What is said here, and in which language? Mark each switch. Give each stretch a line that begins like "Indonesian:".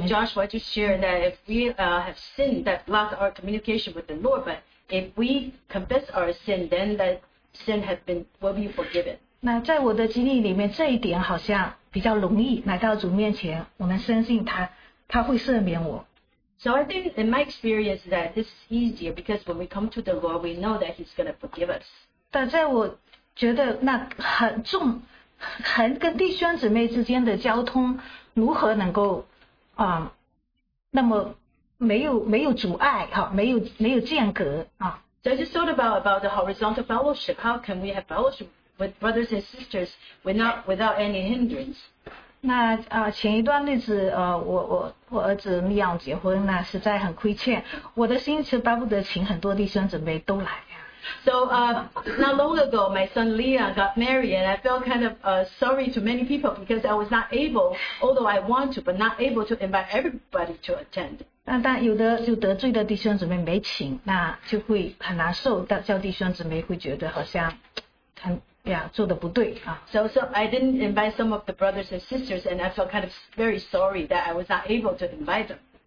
English: Joshua just shared that if we have sinned, that blocked our communication with the Lord. But if we confess our sin, then that sin has been will be forgiven.
Chinese: 那在我的经历里面，这一点好像比较容易来到主面前，我们深信他会赦免我。
English: So I think in my experience that this is easier because when we come to the Lord, we know that He's going to forgive us.
Chinese: 但在我觉得那很重，跟弟兄姊妹之间的交通如何能够那么没有阻碍，没有间隔。
English: So I just thought about the horizontal fellowship. How can we have fellowship with brothers and sisters without any hindrance?
Chinese: 那前一段日子，我儿子Leon结婚，那实在很亏欠，我的心其实巴不得请很多弟兄姊妹都来呀。
English: So not long ago, my son Leah got married, and I felt kind of sorry to many people because I was not able, although I want to, but not able to invite everybody to attend.
Chinese: 但有的就得罪的弟兄姊妹没请，那就会很难受，但叫弟兄姊妹会觉得好像很呀做的不对啊。
English: So I didn't invite some of the brothers and sisters, and I felt kind of very sorry that I was not able to invite them.